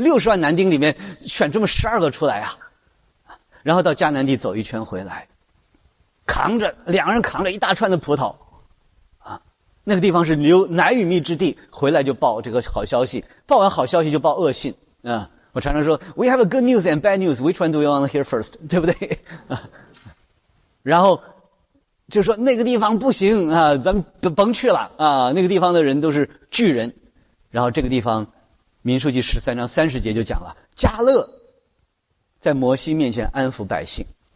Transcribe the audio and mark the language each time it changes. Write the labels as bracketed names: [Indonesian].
[Chinese] 60万男丁里面选这么12个出来啊，然后到迦南地走一圈回来，扛着两人扛着一大串的葡萄，啊，那个地方是流奶与蜜之地，回来就报这个好消息，报完好消息就报恶信啊。我常常说 [English] ，We have a good news and bad news. Which one do you want to hear first？ [Chinese] 对不对？啊，然后就说那个地方不行啊，咱们甭去了啊。那个地方的人都是巨人，然后这个地方，民数记13章30节就讲了，迦勒在摩西面前安抚百姓。